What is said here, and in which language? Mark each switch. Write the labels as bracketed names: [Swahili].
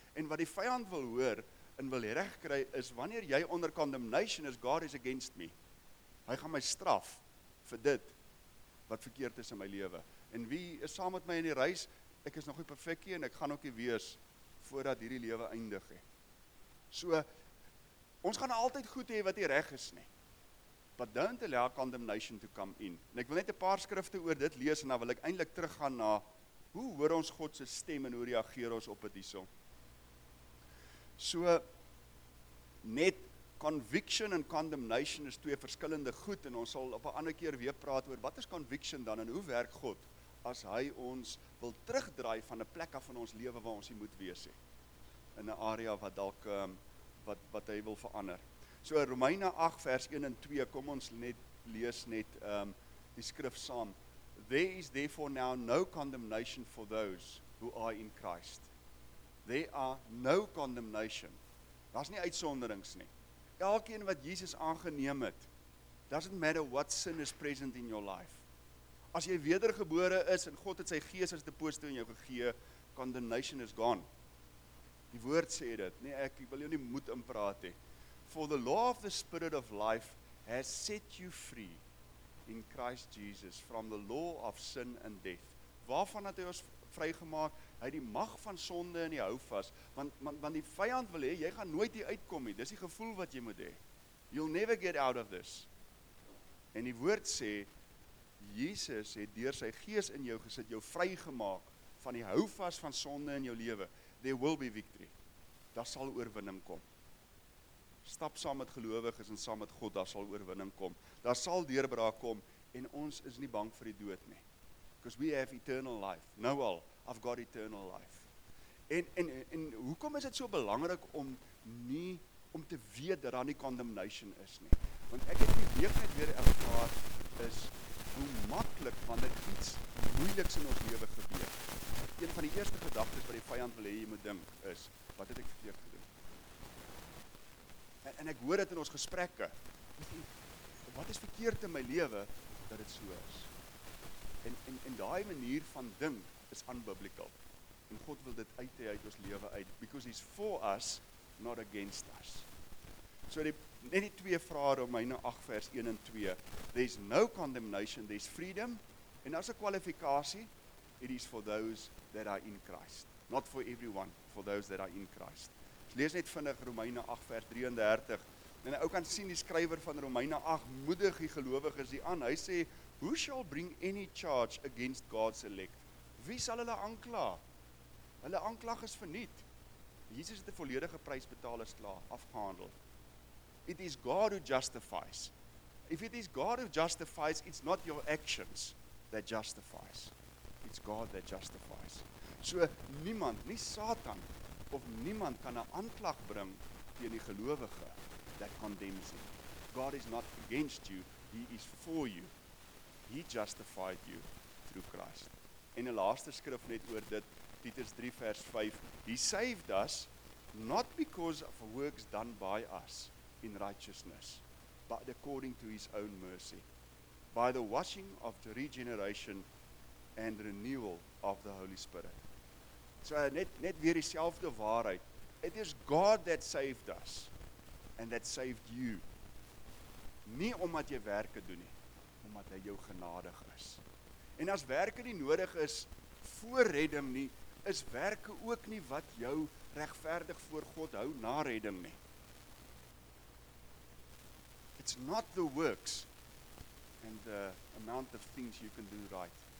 [Afrikaans] En wat die vyand wil hoor en wil regkry is wanneer jy onder condemnation is, God is against me. Hy gaan my straf vir dit wat verkeerd is in my lewe. En wie is saam met my in die reis? Ek is nog nie perfek nie en ek gaan ook nie wees voordat hierdie lewe eindig nie. So ons gaan altyd goed hê wat die reg is nie. [English] But don't allow condemnation to come in. [Afrikaans] En ek wil net 'n paar skrifte oor dit lees en dan wil ek eintlik teruggaan na hoe hoor ons God se stem en hoe reageer ons op dit hierson? So net conviction en condemnation is twee verskillende goed en ons sal op 'n ander keer weer praat oor wat is conviction dan en hoe werk God as hy ons wil terugdraai van 'n plek af van ons lewe waar ons nie moet wees nie. In 'n area wat dalk wat hy wil verander. So Romeine 8 vers 1 en 2, kom ons net lees net die skrif saam. [English] There is therefore now no condemnation for those who are in Christ. There are no condemnation. [Afrikaans] Daar's nie uitsonderings nie. Elkeen wat Jesus aangeneem het, [English] doesn't matter what sin is present in your life. [Afrikaans] As jy wedergebore is en God het sy gees as deposito in jou gegee, [English] condemnation is gone. [Afrikaans] Die woord sê dit, nee ek wil jou nie moed inpraat nie. [English] For the law of the spirit of life has set you free in Christ Jesus from the law of sin and death. [Afrikaans] Waarvan het hy ons vrygemaak? Hy het die mag van sonde in die hou vas, want die vyand wil hê jy gaan nooit hier uitkom nie. Dis die gevoel wat jy moet hê. [English] You'll never get out of this. [Afrikaans] En die woord sê Jesus het deur sy gees in jou gesit, jou vrygemaak van die hou vas van sonde in jou lewe. [English] There will be victory. [Afrikaans] Daar sal oorwinning kom. Stap saam met gelowiges en saam met God, daar sal oorwinning kom. Daar sal deurbraak kom en ons is nie bang vir die dood nie. [English] Because we have eternal life. Now all, I've got eternal life. [Afrikaans] En hoekom is dit so belangrik om nie om te weet dat daar nie condemnation is nie? Want ek het die week net weer ervaar is hoe maklik wanneer iets moeiliks in ons lewe gebeur. Een van die eerste gedagtes wat die vyand wil hê jy moet dink is, wat het ek verkeerd gedoen? En ek hoor dit in ons gesprekke. Wat is verkeerd in my lewe dat dit so is? En daai manier van dink is unbiblical. En God wil dit uit hê uit ons lewe uit [English] because he's for us, not against us. [Afrikaans] So net die twee vrae Romeine 8 vers 1 en 2. [English] There's no condemnation, there's freedom. [Afrikaans] En as 'n kwalifikasie, [English] it is for those that are in Christ. Not for everyone, for those that are in Christ. [Afrikaans] Ek lees net vinnig Romeine 8 vers 33. En ou kan sien die skrywer van Romeine 8 moedig die gelowiges hier aan. Hy sê, [English] "Who shall bring any charge against God's elect?" [Afrikaans] Wie sal hulle aankla? Hulle aanklag is verniet. Jesus het 'n volledige prys betaal, is klaar, afgehandel. [English] It is God who justifies. If it is God who justifies, it's not your actions that justifies. It's God that justifies. [Afrikaans] So niemand, nie Satan of niemand kan 'n aanklag bring teen die gelowige [English] that condemns him. God is not against you, he is for you. He justified you through Christ. [Afrikaans] En 'n laaste skrif net oor dit, Titus 3 vers 5. [English] He saved us not because of works done by us in righteousness, but according to his own mercy, by the washing of the regeneration and renewal of the Holy Spirit. [Afrikaans] So net weer dieselfde waarheid. [English] It is God that saved us and that saved you. [Afrikaans] Nie omdat jy werke doen nie, omdat hy jou genadig is. En as werke nie nodig is voor redding nie, is werke ook nie wat jou regverdig voor God hou na redding nie. [English] It's not the works and the amount of things you can do right.